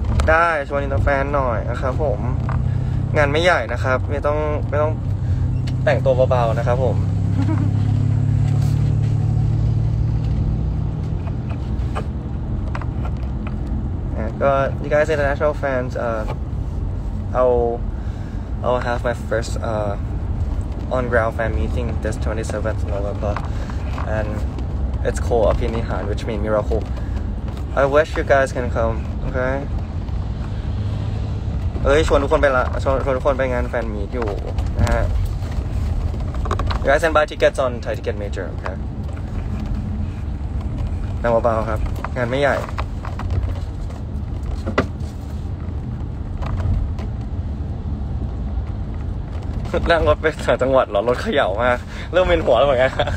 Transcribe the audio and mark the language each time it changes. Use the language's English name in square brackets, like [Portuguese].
[Thai] ได้ชวนอินเตอร์แฟนหน่อยนะครับผมงานไม่ใหญ่นะครับไม่ต้องแต่งตัวเบาๆนะครับผมก็ [English] you guys international fans I'll have my first on-ground fan meeting this 27th November, and it's called Apini Han, which means miracle. I wish you guys can come, okay? [Thai] Hey, ชวนทุกคนไปละชวนทุกคนไปงานแฟนมีทอยู่นะฮะ [English] You guys can buy tickets on Thai Ticket Major, okay? [Thai] นั่งเบาๆครับงานไม่ใหญ่นั่งรถไปต่างจังหวัดหรอรถเขย่ามากเริ่มเป็นหัวแล้วเหมือนกัน